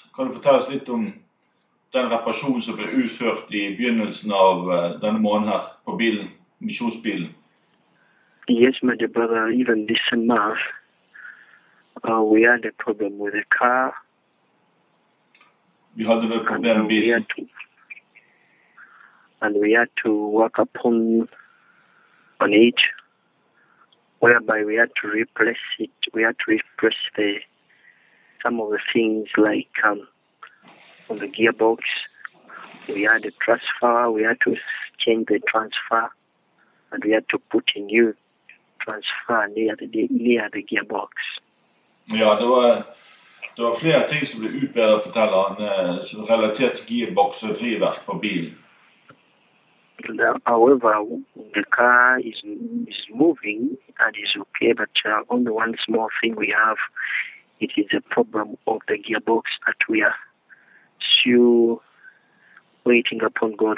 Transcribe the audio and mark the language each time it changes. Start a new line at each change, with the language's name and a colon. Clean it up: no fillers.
Norwegian: Kan du fortelle oss litt om den reparasjonen som ble utført i begynnelsen av denne måneden her på bilen, misjonsbilen?
English: Yes, my dear brother, even this month, we had a problem with the car. We had a problem with bilen. And we had to work upon it, whereby we had to replace it. We had to replace some of the things like on the gearbox. We had a transfer. We had to change the transfer, and we had to put a new transfer near the gearbox.
Norwegian: Ja, det var flere ting som ble utbedret, forteller han, som relatert til gearbox og drivverk på bilen.
English: However, the car is moving and is okay, but only one small thing we have, it is a problem of the gearbox that we are still waiting upon God.